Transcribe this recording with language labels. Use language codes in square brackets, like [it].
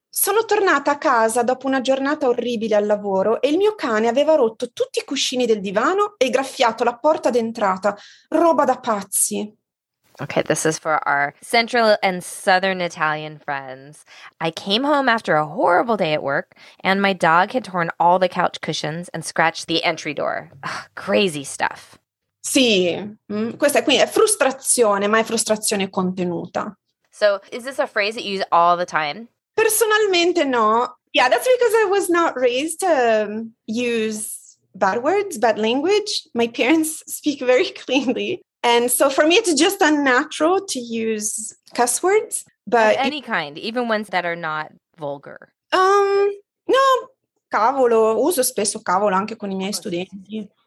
[it] Sono tornata a casa dopo una giornata orribile al lavoro e il mio cane aveva rotto tutti i cuscini del divano e graffiato la porta d'entrata. Roba da pazzi. [en] Okay, this is for our Central and Southern Italian friends. I came home after a horrible day at work and my dog had torn all the couch cushions and scratched the entry door. Ugh, crazy stuff. [it] Sì, questa qui è frustrazione, ma è frustrazione contenuta. [en] So, is this a phrase that you use all the time? [it] Personalmente no. [en] Yeah, that's because I was not raised to use bad words, bad language. My parents speak very cleanly. And so for me, it's just unnatural to use cuss words. But of any kind, even ones that are not vulgar. [it] No, cavolo, uso spesso cavolo anche con i miei studenti.